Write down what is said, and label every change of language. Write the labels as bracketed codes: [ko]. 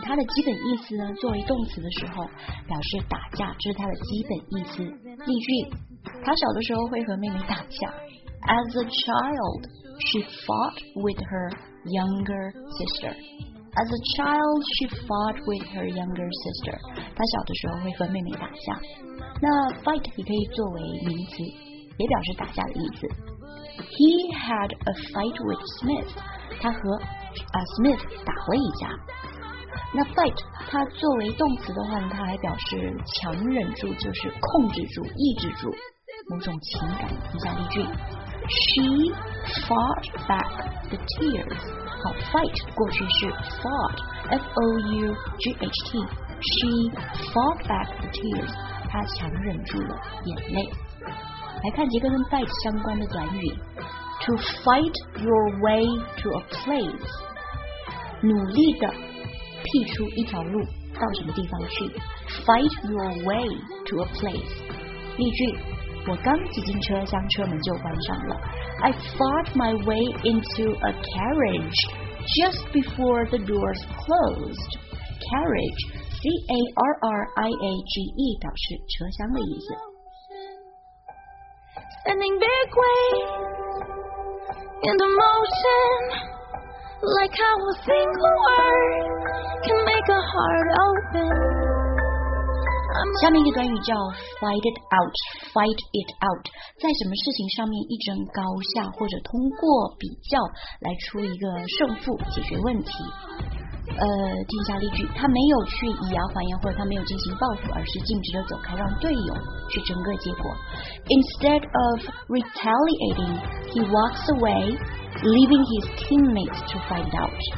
[zh] 它的基本意思呢，作为动词的时候表示打架，这是它的基本意思。例句，他小的时候会和妹妹打架。 [en] As a child she fought with her younger sister。 As a child, she fought with her younger sister. [zh] 她小的时候会和妹妹打架。那 fight 也可以作为名词，也表示打架的意思。 [en] He had a fight with Smith. [zh] 他和Smith 打了一架。那 fight 它作为动词的话呢，它还表示强忍住，就是控制住、抑制住某种情感。以下例句 [en] ：She fought back the tears. 好 ，fight [zh] 过去式 [en] fought f o u g h t. She fought back the tears. [zh] 她强忍住了眼泪。来看几个跟 fight 相关的短语 ： [en] to fight your way to a place， [zh] 努力的辟出一条路到什么地方去 ？ [en] Fight your way to a place。 [zh] 例句：我刚挤进车厢，车门就关上了。 [en] I fought my way into a carriage just before the doors closed. Carriage, C A R R I A G E， [zh] 表示车厢的意思。 [en] Sending big waves into motion, like how a single word can make a heart open. [zh] 下面一个短语叫 [en] fight it out, fight it out. [zh] 在什么事情上面一争高下，或者通过比较来出一个胜负，解决问题。听一下例句，他没有去以牙还牙，或者他没有进行报复，而是径直的走开，让队友去争个结果。 [en] Instead of retaliating, he walks away, leaving his teammates to find out.